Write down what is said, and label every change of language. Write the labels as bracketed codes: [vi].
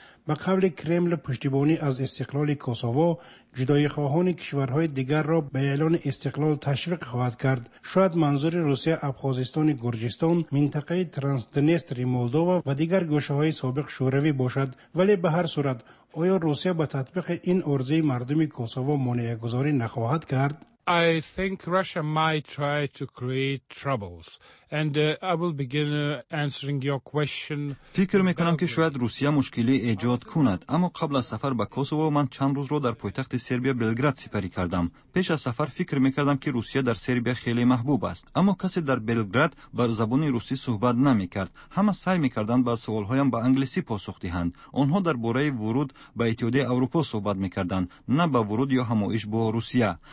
[fa] به قول کرملین پشتیبانی از استقلال کوسوو، جدای خواهان کشورهای دیگر را به اعلان استقلال تشویق خواهد کرد. شاید منظور روسیه ابخازستان، گرجستان، منطقه ترانسدنستر، مولدوا و دیگر گوشه‌های سابق شوروی باشد، ولی به هر صورت آیا روسیه به تطبیق این عرضه مردم کوسوو مانع گذاری نخواهد کرد؟ [en] I think Russia might try to create troubles. And I will begin answering your question. [fa] فکر میکنم که شاید روسیه مشکلی ایجاد کند. اما قبل از سفر به کوسوو من چند روز رو در پایتخت سربیا بلگراد سپری کردم. پیش از سفر فکر میکردم که روسیه در سربیا خیلی محبوب است. اما کسی در بلگراد بر زبان روسی صحبت نمیکرد. همه سعی میکردند با سوالهایم با انگلیسی پاسخ دهند. آنها در باره ورود به اتحادیه اروپا صحبت میکردند، نه با ورود یا همایش با روسیه.